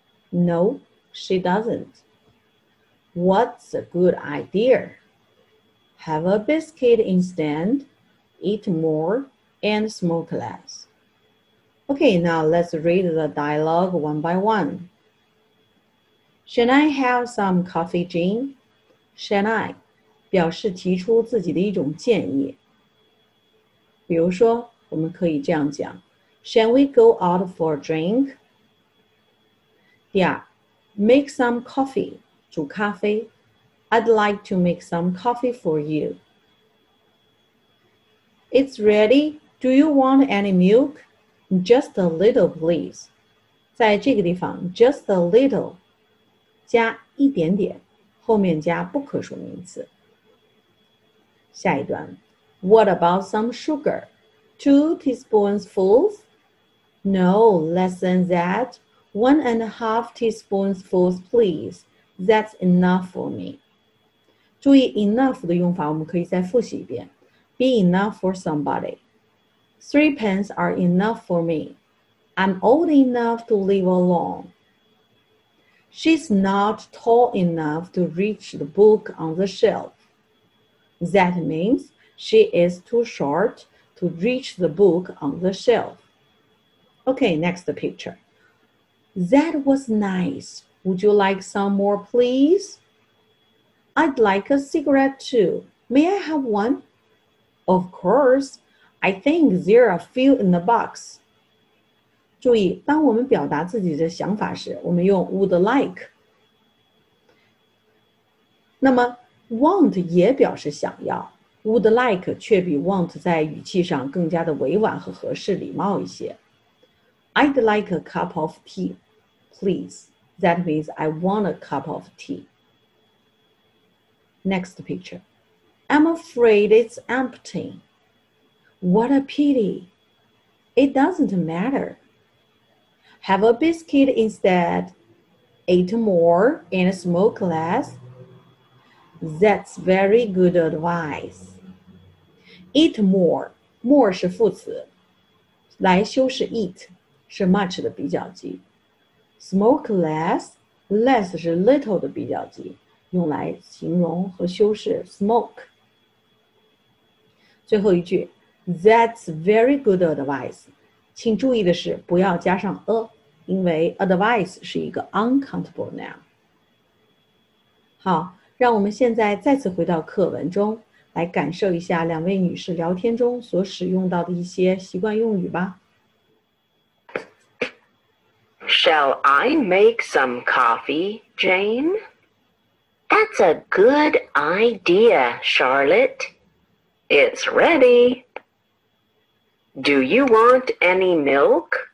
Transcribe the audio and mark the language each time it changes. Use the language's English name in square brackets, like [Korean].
[English] No, she doesn't. What's a good idea? Have a biscuit instead. Eat more and smoke less. Okay, now let's read the dialogue one by one. Shall I have some coffee, Jane? Shall I? [Chinese] 表示提出自己的一种建议。比如说，我们可以这样讲 [English] Shall we go out for a drink? [Chinese] 第二 [English] Make some coffee, [Chinese] 煮咖啡。 [English] I'd like to make some coffee for you. It's ready. Do you want any milk? Just a little, please. [Chinese] 在这个地方 [English] just a little, [Chinese] 加一点点，后面加不可数名词。下一段 [English] What about some sugar? 2 teaspoonfuls? No, less than that. 1.5 teaspoonfuls, please. That's enough for me. [Chinese] 注意 enough 的用法我们可以再复习一遍。 [English] Be enough for somebody. 3 pence are enough for me. I'm old enough to live alone. She's not tall enough to reach the book on the shelf. That means she is too short to reach the book on the shelf. Okay, next picture. That was nice. Would you like some more, please? I'd like a cigarette too. May I have one? Of course, I think there are a few in the box. [Chinese] 注意，当我们表达自己的想法时，我们用 would like. 那么 want 也表示想要，Would like 却比 want 在语气上更加的委婉和合适礼貌一些。 [English] I'd like a cup of tea, please. That means I want a cup of tea. Next picture. I'm afraid it's empty. What a pity. It doesn't matter. Have a biscuit instead. Eat more and smoke less. That's very good advice. Eat more. [Chinese] More 是副词。来修饰 eat。是 much 的比较级 ，smoke less， less 是 little 的比较级，用来形容和修饰 smoke。最后一句 [English] ，That's very good advice。 [Chinese] 请注意的是，不要加上 a， 因为 advice 是一个 uncountable noun。好，让我们现在再次回到课文中，来感受一下两位女士聊天中所使用到的一些习惯用语吧。 [English] Shall I make some coffee, Jane? That's a good idea, Charlotte. It's ready. Do you want any milk?